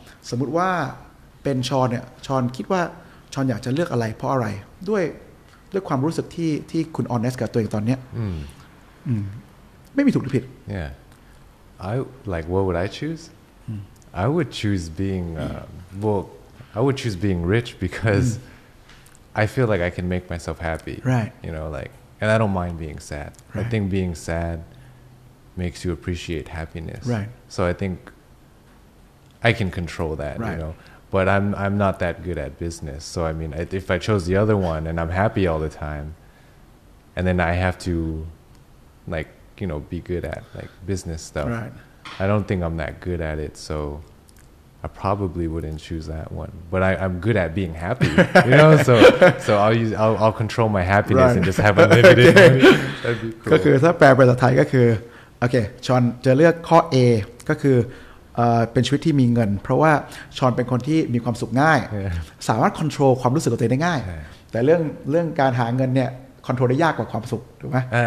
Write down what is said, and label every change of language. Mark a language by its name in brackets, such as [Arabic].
[Thai] สมมุติว่าเป็นชอนเนี่ยชอนคิดว่าชอนอยากจะเลือกอะไรเพราะอะไรด้วยความรู้สึกที่คุณ honest กับตัวเองตอนเนี้ยไม่มีถูกหรือผิด [English] Yeah I like what would I choose I would choose being bookI would choose being rich because I feel like I can make myself happy. Right. You know, like, and I don't mind being sad. Right. I think being sad makes you appreciate happiness. Right. So I think I can control that, right. You know, but I'm not that good at business. So, I mean, if I chose the other one and I'm happy all the time and then I have to like, you know, be good at like business stuff. Right. I don't think I'm that good at it. So,I probably wouldn't choose that one, but I'm good at being happy, you know. So I'll control my happiness and just have unlimited money. That'd be cool. [Thai] ก็คือถ้าแปลเป็นภาษาไทยก็คือโอเคชอนจะเลือกข้อ A ก็คือเป็นชีวิตที่มีเงินเพราะว่าชอนเป็นคนที่มีความสุขง่ายสามารถควบคุมความรู้สึกของตัวเองได้ง่ายแต่เรื่องการหาเงินเนี่ยควบคุมได้ยากกว่าความสุขถูกไหม